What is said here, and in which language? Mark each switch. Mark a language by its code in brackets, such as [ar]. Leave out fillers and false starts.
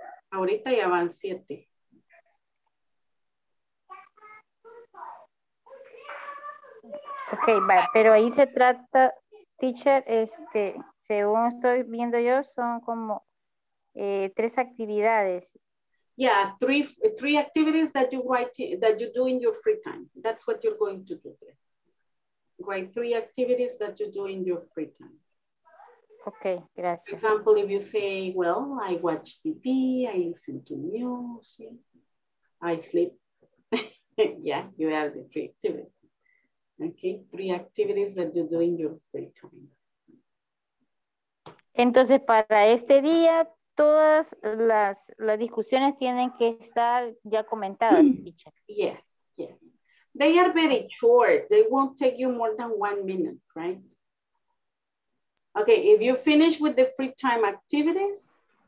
[es] Ahorita ya van siete. Ok, vale. Pero ahí se trata, teacher, según estoy viendo yo, son como tres actividades. [en] Yeah, three activities that you write, that you do in your free time. That's what you're going to do there. Write three activities that you do in your free time. [es] Okay, gracias. [en] For example, if you say, well, I watch TV, I listen to music, I sleep. Yeah, you have the three activities. Okay, three activities that you do in your free time. [es] Entonces, para este día, todas las discusiones tienen que estar ya comentadas, dicha. [en] Yes, yes. They are very short. They won't take you more than 1 minute, right? Okay, if you finish with the free time activities.